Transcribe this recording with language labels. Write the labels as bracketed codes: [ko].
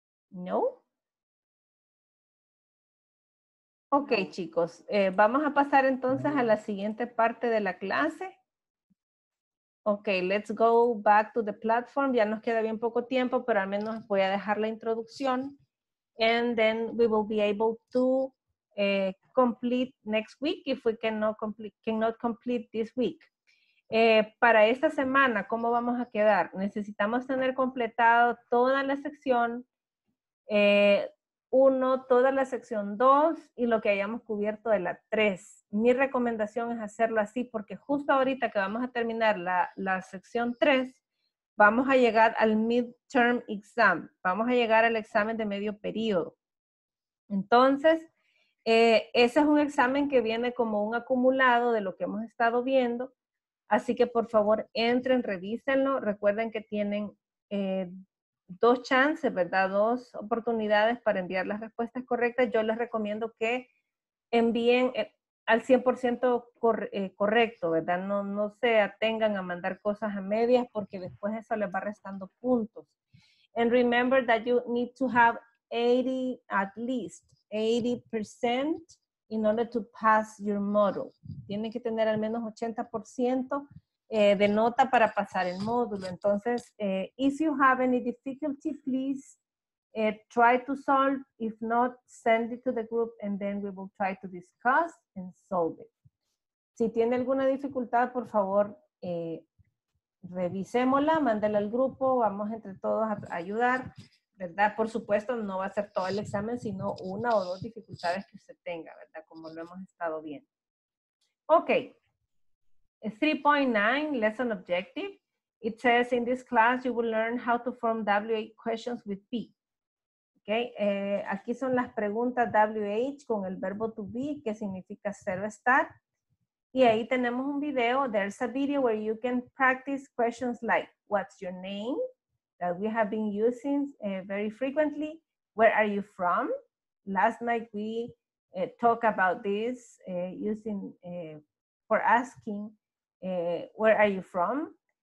[es] No. Ok, chicos, vamos a pasar entonces a la siguiente parte de la clase. Ok, [en] let's go back to the platform. [es] Ya nos queda bien poco tiempo, pero al menos voy a dejar la introducción. [en] And then we will be able to complete next week if we cannot complete this week. [es] Para esta semana, ¿cómo vamos a quedar? Necesitamos tener completado toda la sección, 1, toda la sección 2 y lo que hayamos cubierto de la 3. Mi recomendación es hacerlo así porque justo ahorita que vamos a terminar la sección 3, vamos a llegar al midterm exam. Vamos a llegar al examen de medio periodo. Entonces, ese es un examen que viene como un acumulado de lo que hemos estado viendo. Así que por favor entren, revísenlo. Recuerden que tienen dos chances, ¿verdad? Dos oportunidades para enviar las respuestas correctas. Yo les recomiendo que envíen al 100% correcto, ¿verdad? No se atengan a mandar cosas a medias porque después eso les va restando puntos. [en] And remember that you need to have 80, at least 80% in order to pass your module. [es] Tienen que tener al menos 80% de nota para pasar el módulo. [en] Entonces, if you have any difficulty, please try to solve. If not, send it to the group and then we will try to discuss and solve it. [es] Si tiene alguna dificultad, por favor, revisémosla, mándela al grupo, vamos entre todos a ayudar, ¿verdad? Por supuesto, no va a ser todo el examen, sino una o dos dificultades que usted tenga, ¿verdad? Como lo hemos estado viendo. Ok. 3.9, lesson objective. [en] It says, in this class, you will learn how to form WH questions with be. Ok. [es] Aquí son las preguntas WH con el verbo to be, que significa ser o estar. Y ahí tenemos un video. [en] There's a video where you can practice questions like, what's your name? That we have been using very frequently. Where are you from? Last night we talked about this using for asking where are you from?